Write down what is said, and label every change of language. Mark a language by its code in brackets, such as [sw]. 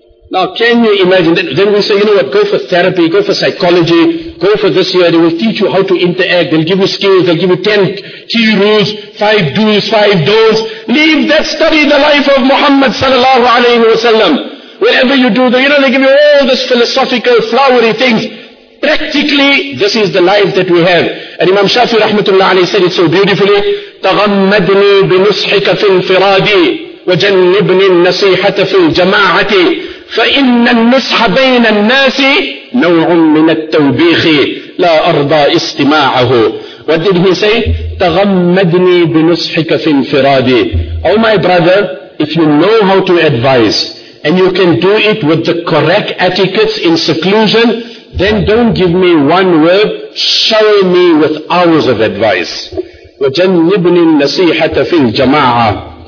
[en] Now, can you imagine that? Then we say, you know what, go for therapy, go for psychology, go for this year, they will teach you how to interact, they'll give you skills, they'll give you 10 key rules, 5 do's, 5 don'ts. Leave that, study the life of Muhammad sallallahu alayhi wa sallam. Whatever you do, you know, they give you all this philosophical, flowery things. Practically, this is the life that we have. And Imam Shafi rahmatullah alayhi said it so beautifully, [ar] تَغَمَّدْنِي بِنُصْحِكَ فِي الْفِرَادِي وَجَنِّبْنِي النَّصِيحَةَ فِي الْجَمَاعَةِ فَإِنَّ النُّصْحَ بَيْنَ النَّاسِ نَوْعٌ مِنَ التَّوْبِيخِ لَا أَرْضَى إِسْتِمَاعَهُ. [en] What did he say? [ar] تَغَمَّدْنِي بِنُصْحِكَ فِي الْفِرَادِي. [en] Oh my brother, if you know how to advise, and you can do it with the correct etiquettes in seclusion, then don't give me one word, show me with hours of advice. [ar] وَجَنِّبْنِ النَّسِيحَةَ فِي الْجَمَاعَةِ.